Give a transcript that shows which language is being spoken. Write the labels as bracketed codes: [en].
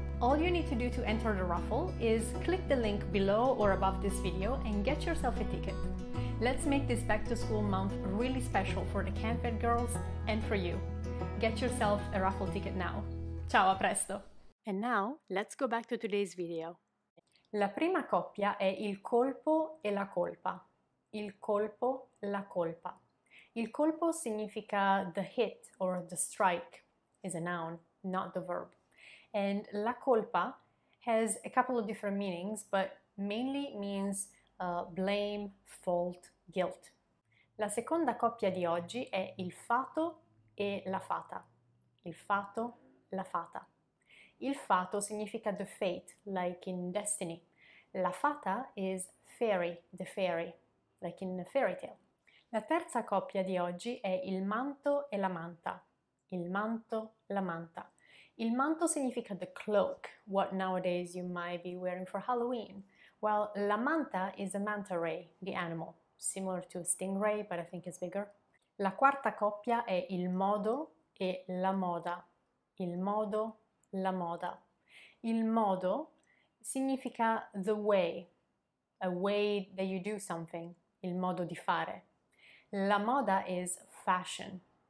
[en] All you need to do to enter the raffle is click the link below or above this video and get yourself a ticket. Let's make this back to school month really special for the CAMFED girls and for you. Get yourself a raffle ticket now. [it] Ciao, a presto! [en] And now, let's go back to today's video. [it] La prima coppia è il colpo e la colpa. Il colpo, la colpa. Il colpo significa [en] the hit or the strike, is a noun, not the verb. And la colpa has a couple of different meanings, but mainly means blame, fault, guilt. [it] La seconda coppia di oggi è il fato e la fata. Il fato, la fata. Il fato significa [en] the fate, like in destiny. La fata is fairy, the fairy, like in a fairy tale. [it] La terza coppia di oggi è il manto e la manta. Il manto, la manta. Il manto significa [en] the cloak, what nowadays you might be wearing for Halloween. Well, la manta is a manta ray, the animal, similar to a stingray, but I think it's bigger. [it] La quarta coppia è il modo e la moda. Il modo, la moda. Il modo significa [en] the way, a way that you do something, [it] il modo di fare. [en] La moda is fashion.